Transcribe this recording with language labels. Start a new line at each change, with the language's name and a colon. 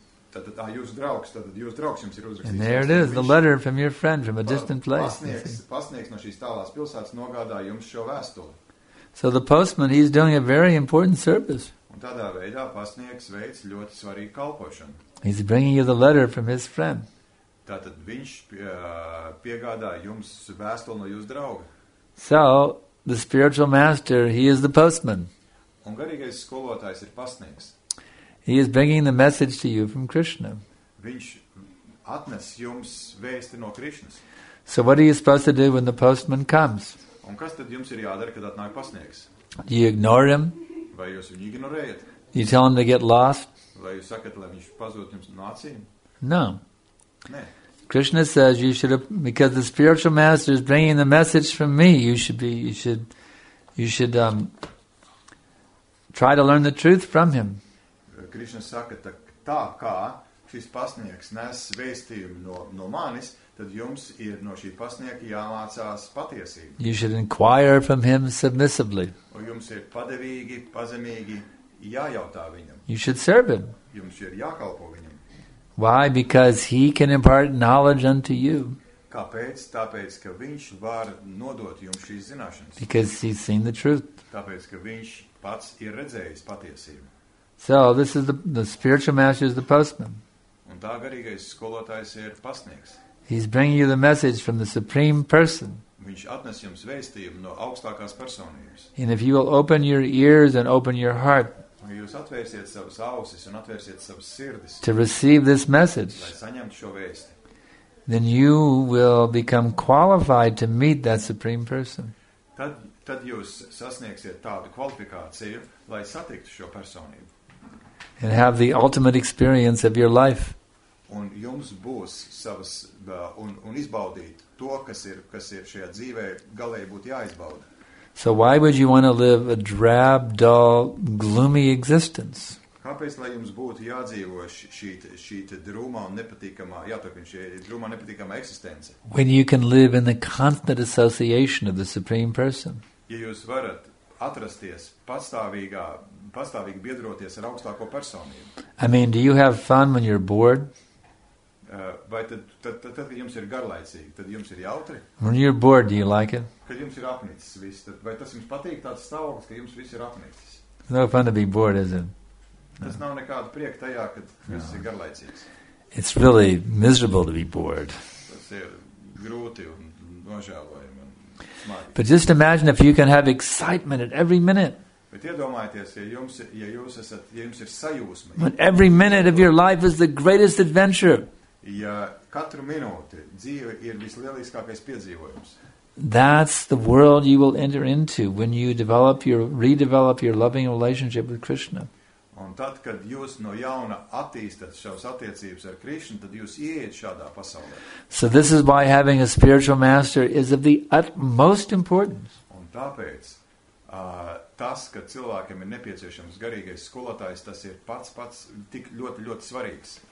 Latvian: tad jūs draugs jums ir uzrakstīts.
English: And there it is, the letter from your friend from a distant place.
Latvian: Pasnieks no šīs tālās pilsētas nogādā jums šo vēstuli.
English: So the postman, he's doing a very important service.
Latvian: Un tādā veidā pasnieks veic ļoti svarīgu kalpošanu.
English: He's bringing you the letter from his friend.
Latvian: Tātad viņš piegādā jums vēstuli no jūsu drauga.
English: So, the spiritual master, he is the postman.
Latvian: Un garīgais skolotājs ir pasnieks.
English: He is bringing the message to you from Krishna.
Latvian: Viņš atnes jums vēsti no Krishnas.
English: So what are you supposed to do when the postman comes?
Latvian: Un kas tad jums ir jādara, kad atnāk pasnieks?
English: Do you ignore him?
Latvian: Vai jūs viņu ignorējat?
English: You tell him to get lost?
Latvian: Vai jūs sakat, lai viņš pazūd jums no acīm?
English: No.
Latvian: Nē.
English: Krishna says you should, because the spiritual master is bringing the message from me, you should try to learn the truth from him.
Latvian: Krishna saka, tā kā šis pasnieks nes vēstījumu no manis, tad jums ir no šī pasnieka jāmācās patiesību.
English: You should inquire from him submissively.
Latvian: Un jums ir padevīgi, pazemīgi jājautā viņam.
English: You should serve him.
Latvian: Jums ir jākalpo viņam.
English: Why? Because he can impart knowledge unto you.
Latvian: Kāpēc? Tāpēc, ka viņš var nodot jums šīs zināšanas.
English: Because he's seen the truth.
Latvian: Tāpēc, ka viņš pats ir redzējis patiesību.
English: So, this is the spiritual master is the postman.
Latvian: Un tā garīgais skolotājs ir pasnieks.
English: He's bringing you the message from the supreme person.
Latvian: Viņš atnes jums vēstījumu no augstākās personības.
English: And if you will open your ears and open your heart,
Latvian: ja jūs atvērsiet savas ausis un atvērsiet savas sirdis,
English: to receive this message,
Latvian: lai saņemtu šo vēsti,
English: then you will become qualified to meet that supreme person.
Latvian: Tad jūs sasniegsiet tādu kvalifikāciju, lai satiktu šo personību.
English: And have the ultimate experience of your life.
Latvian: Un jums būs savas, un izbaudīt to, kas ir šajā dzīvē galēji būt jāizbauda.
English: So why would you want to live a drab, dull, gloomy existence?
Latvian: Kāpēc, lai jums būtu jādzīvo šīta drūmā un nepatīkamā, jātokin šī drūmā nepatīkamā eksistence?
English: When you can live in the constant association of the Supreme Person.
Latvian: Ja jūs varat atrasties pastāvīgi biedroties ar augstāko personību.
English: I mean, do you have fun when you're bored?
Latvian: Vai tad jums ir garlaicīgi, tad jums ir jautri?
English: When you're bored, do you like it?
Latvian: Kad jums ir apnicis viss, tad vai tas jums patīk tāds stāvoklis, ka jums viss ir apnicis?
English: It's no fun to be bored, is it?
Latvian: Tas nav nekāda prieka tajā, kad viss ir garlaicīgs.
English: It's really miserable to be bored.
Latvian: Tas ir grūti un nožēlojami un smagi.
English: But just imagine if you can have excitement at every minute.
Latvian: Bet iedomājieties, ja jums ir sajūsma.
English: When every minute of your life is the greatest adventure.
Latvian: Ja katru minūti dzīve ir vislielākais piedzīvojums.
English: That's the world you will enter into when you redevelop your loving relationship with Krishna.
Latvian: Un tad, kad jūs no jauna attīstat savas attiecības ar Krishna, tad jūs ieiet šādā pasaulē.
English: So this is why having a spiritual master is of the utmost importance.
Latvian: Un tāpēc, tas, ka cilvēkam ir nepieciešams garīgais skolotājs, tas ir pats tik ļoti, ļoti svarīgs.